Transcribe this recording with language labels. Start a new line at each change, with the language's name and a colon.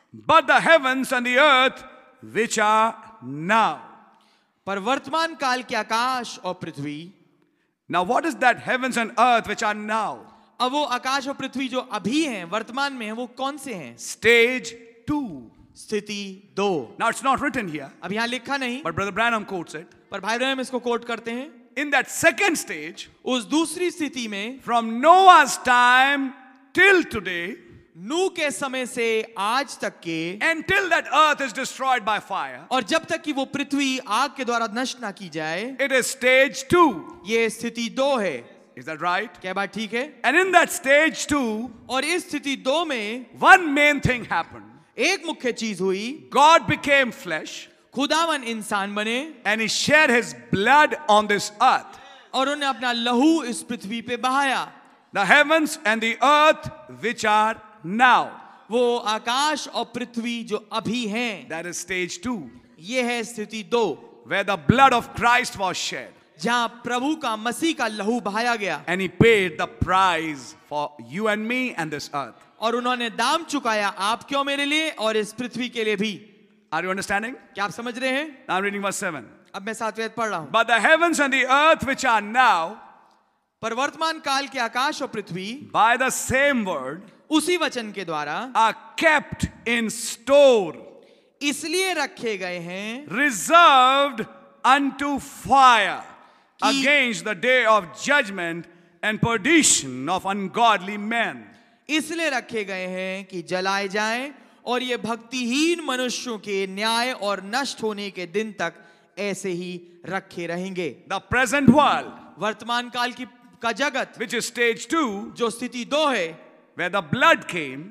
English: but the heavens and the earth which are now
Hindi: पर वर्तमान काल के आकाश और पृथ्वी
English: now what is that heavens and earth which are now
Hindi: अब वो आकाश और पृथ्वी जो अभी हैं वर्तमान में हैं वो कौन से हैं
English: stage two
Hindi: स्थिति दो
English: Now it's not written here,
Hindi: अब यहां लिखा नहीं
English: but Brother Branham quotes it,
Hindi: पर भाई ब्रैनम इसको कोट करते हैं
English: In that second stage,
Hindi: उस दूसरी स्थिति में
English: From Noah's time till today,
Hindi: नू के समय से आज तक के
English: And till that earth is destroyed by fire,
Hindi: और जब तक कि वो पृथ्वी आग के द्वारा नष्ट ना की जाए
English: It is stage two,
Hindi: ये स्थिति दो है
English: Is that right?
Hindi: क्या बात ठीक है
English: And in that stage two,
Hindi: और इस स्थिति दो में
English: One main thing happened.
Hindi: एक मुख्य चीज हुई
English: God became flesh
Hindi: खुदावन इंसान बने
English: and he shed his blood on this earth
Hindi: और उन्होंने अपना लहू इस पृथ्वी पे बहाया
English: the heavens and the earth which are now
Hindi: वो आकाश और पृथ्वी जो अभी हैं
English: that is stage 2
Hindi: ये है स्थिति 2
English: where the blood of christ was shed
Hindi: जहां प्रभु का मसीह का लहू बहाया गया
English: and he paid the price for you and me and this earth
Hindi: और उन्होंने दाम चुकाया आप क्यों मेरे लिए और इस पृथ्वी के लिए भी
English: Are you understanding?
Hindi: क्या आप समझ रहे हैं?
English: Now I'm reading verse 7.
Hindi: अब मैं सातवें पद पढ़ रहा हूं.
English: But the heavens and the earth which are now,
Hindi: पर वर्तमान काल के आकाश और पृथ्वी,
English: by the same word,
Hindi: उसी वचन के द्वारा,
English: are kept in store,
Hindi: इसलिए रखे गए हैं,
English: reserved unto fire, against the day of judgment and perdition of ungodly men.
Hindi: इसलिए रखे गए हैं कि जलाए जाएं और ये भक्तिहीन मनुष्यों के न्याय और नष्ट होने के दिन तक ऐसे ही रखे रहेंगे
English: the present world
Hindi: वर्तमान काल की का जगत
English: which is stage 2
Hindi: जो स्थिति 2 है
English: where the blood came